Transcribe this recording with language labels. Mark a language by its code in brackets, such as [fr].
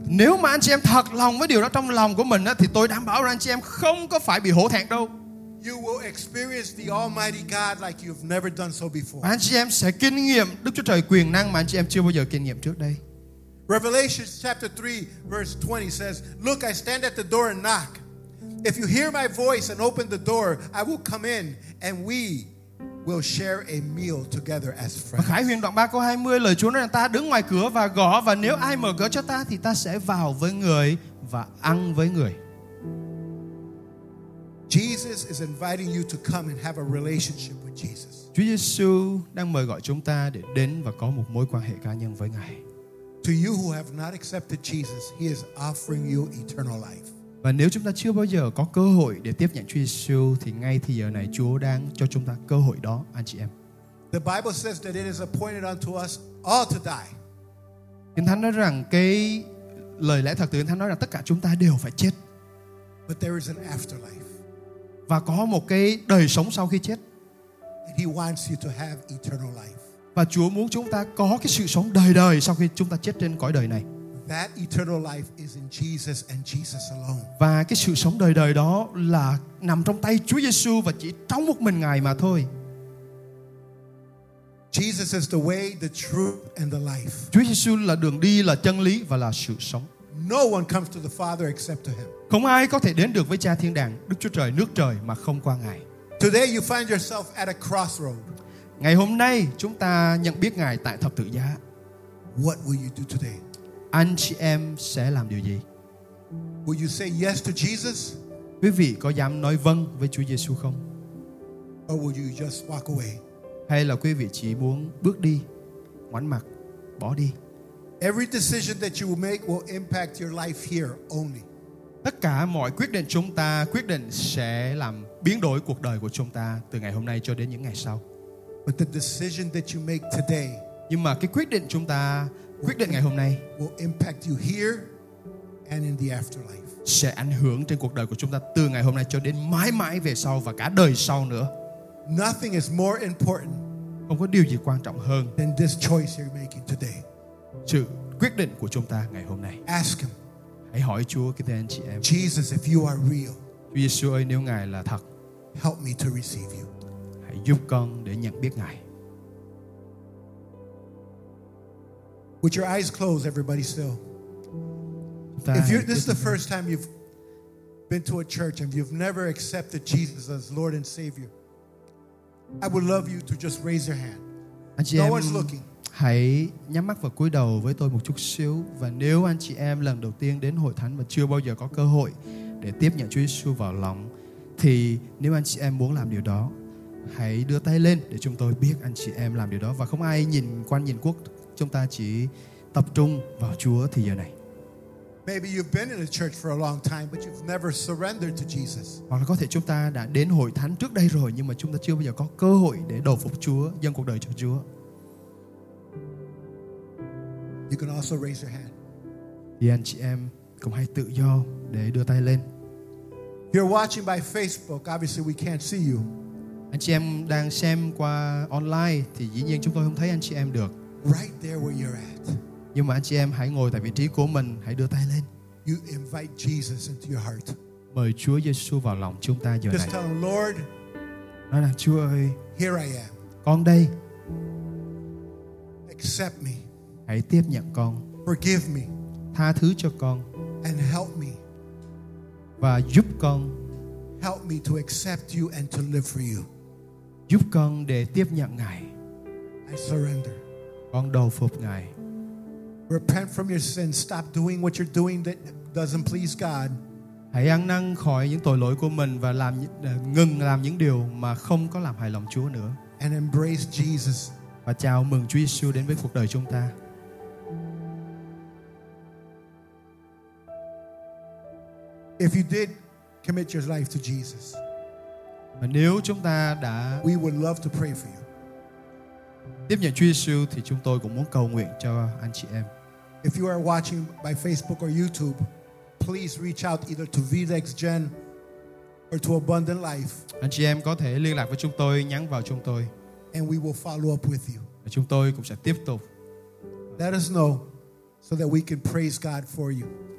[vi] Nếu mà anh chị em thật lòng với điều đó trong lòng của mình thì tôi đảm bảo rằng anh chị em không có phải bị hổ thẹn đâu. [en] You will experience the Almighty God like you've never done so before. [vi] Anh chị em sẽ kinh nghiệm Đức Chúa Trời quyền năng mà anh chị em chưa bao giờ kinh nghiệm trước đây. [en] Revelation chapter 3 verse 20 says, "Look, I stand at the door and knock. If you hear my voice and open the door, I will come in and we will share a meal together as friends." [vi] Khải Huyền đoạn 3 câu 20, lời Chúa nói rằng ta đứng ngoài cửa và gõ, và nếu ai mở cửa cho ta thì ta sẽ vào với người và ăn với người. [en] Jesus is inviting you to come and have a relationship with Jesus. [vi] Chúa Giêsu đang mời gọi chúng ta để đến và có một mối quan hệ cá nhân với Ngài. [en] To you who have not accepted Jesus, he is offering you eternal life. [vi] Và nếu chúng ta chưa bao giờ có cơ hội để tiếp nhận Chúa Giêsu thì ngay thì giờ này Chúa đang cho chúng ta cơ hội đó, anh chị em. [en] The Bible says that it is appointed unto us all to die. [vi] Kinh Thánh nói rằng cái lời lẽ thật từ Kinh Thánh nói rằng tất cả chúng ta đều phải chết. [en] But there is an afterlife. [vi] Và có một cái đời sống sau khi chết. [en] He wants you to have eternal life. [vi] Và Chúa muốn chúng ta có cái sự sống đời đời sau khi chúng ta chết trên cõi đời này. [en] That eternal life is in Jesus and Jesus alone. [vi] Và cái sự sống đời đời đó là nằm trong tay Chúa Giêsu và chỉ trong một mình Ngài mà thôi. [en] Jesus is the way, the truth and the life. [vi] Chúa Giêsu là đường đi, là chân lý và là sự sống. [en] No one comes to the Father except to him. [vi] Không ai có thể đến được với Cha thiên đàng, Đức Chúa Trời, nước trời mà không qua Ngài. [en] Today you find yourself at a crossroad. [vi] Ngày hôm nay chúng ta nhận biết Ngài tại thập tự giá. [en] What will you do today? [vi] Anh chị em sẽ làm điều gì? [en] Will you say yes to Jesus? [vi] Quý vị có dám nói vâng với Chúa Giêsu không? [en] Or will you just walk away? [vi] Hay là quý vị chỉ muốn bước đi, ngoảnh mặt, bỏ đi? [en] Every decision that you will make will impact your life here only. [vi] Tất cả mọi quyết định chúng ta quyết định sẽ làm biến đổi cuộc đời của chúng ta từ ngày hôm nay cho đến những ngày sau. [en] But the decision that you make today, [vi] nhưng mà cái quyết định chúng ta quyết định ngày hôm nay [en] will impact you here and in the afterlife. [vi] Sẽ ảnh hưởng trên cuộc đời của chúng ta từ ngày hôm nay cho đến mãi mãi về sau và cả đời sau nữa. [en] Nothing is more important. [vi] Không có điều gì quan trọng hơn [en] than this choice you're making today. [vi] Sự quyết định của chúng ta ngày hôm nay. [en] Ask him. [vi] Hãy hỏi Chúa, kính thưa anh chị em. [en] Jesus, if you are real. [vi] Chúa Giêsu ơi, nếu Ngài là thật. [en] Help me to receive you. [vi] Hãy giúp con để nhận biết Ngài. [en] With your eyes closed, everybody still. If you're, this is the first time you've been to a church and you've never accepted Jesus as Lord and Savior, I would love you to just raise your hand. [vi] Anh chị em, [en] no one's looking. [vi] Hãy nhắm mắt và cúi đầu với tôi một chút xíu. Và nếu anh chị em lần đầu tiên đến hội thánh và chưa bao giờ có cơ hội để tiếp nhận Chúa Giêsu vào lòng, thì nếu anh chị em muốn làm điều đó, hãy đưa tay lên để chúng tôi biết anh chị em làm điều đó. Và không ai nhìn quan nhìn quốc, chúng ta chỉ tập trung vào Chúa thì giờ này. [en] Maybe you've been in a church for a long time but you've never surrendered to Jesus. [vi] Hoặc là có thể chúng ta đã đến hội thánh trước đây rồi nhưng mà chúng ta chưa bao giờ có cơ hội để đầu phục Chúa, dâng cuộc đời cho Chúa. [en] You can also raise your hand. [vi] Thì anh chị em cũng hãy tự do để đưa tay lên. [en] If you're watching by Facebook, obviously we can't see you. [vi] Anh chị em đang xem qua online thì dĩ nhiên chúng tôi không thấy anh chị em được. [en] Right there where you're at. [vi] Nhưng mà anh chị em hãy ngồi tại vị trí của mình, hãy đưa tay lên. [en] You invite Jesus into your heart. [vi] Mời Chúa Giêsu vào lòng chúng ta giờ [en] Just [vi] này. [en] Just tell him, Lord. [vi] Nói là Chúa ơi. [en] Here I am. [vi] Con đây. [en] Accept me. [vi] Hãy tiếp nhận con. [en] Forgive me. [vi] Tha thứ cho con. [en] And help me. [vi] Và giúp con. [en] help me to accept you and to live for you. [vi] Giúp con để tiếp nhận Ngài. [en] I surrender. [vi] Con đầu phục Ngài. [en] Repent from your sins. Stop doing what you're doing that doesn't please God. [vi] Hãy ăn năn khỏi những tội lỗi của mình và làm ngừng làm những điều mà không có làm hài lòng Chúa nữa. [en] And embrace Jesus. [vi] Và chào mừng Chúa Giêsu đến với cuộc đời chúng ta. [en] If you did commit your life to Jesus, [vi] mà nếu chúng ta đã [en] we would love to pray for you. [vi] Tiếp nhận Chúa Giêsu thì chúng tôi cũng muốn cầu nguyện cho anh chị em. [en] If you are watching by Facebook or YouTube, please reach out either to VDEX Gen or to Abundant Life. [vi] Anh chị em có thể liên lạc với chúng tôi, nhắn vào chúng tôi. [en] And we will follow up with you. [vi] Và chúng tôi cũng sẽ tiếp tục. [en] Let us know so that we can praise God for you.